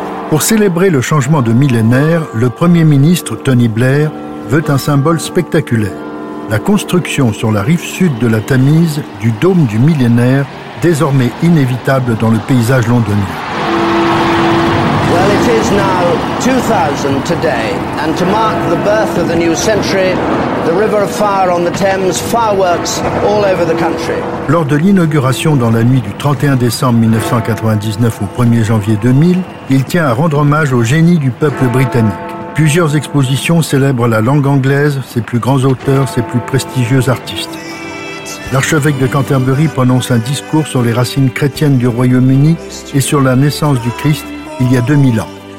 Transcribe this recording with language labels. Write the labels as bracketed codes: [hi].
[fr] Pour célébrer le changement de millénaire, le Premier ministre Tony Blair veut un symbole spectaculaire. La construction sur la rive sud de la Tamise du dôme du millénaire, désormais inévitable dans le paysage londonien. [en] Well, it is now 2000 today, and to mark the birth of the new century, the River of Fire on the Thames fireworks all over the country. [fr] Lors de l'inauguration dans la nuit du 31 décembre 1999 au 1er janvier 2000, il tient à rendre hommage au génie du peuple britannique. Plusieurs expositions célèbrent la langue anglaise, ses plus grands auteurs, ses plus prestigieux artistes. L'archevêque de Canterbury prononce un discours sur les racines chrétiennes du Royaume-Uni et sur la naissance du Christ il y a 2000 ans.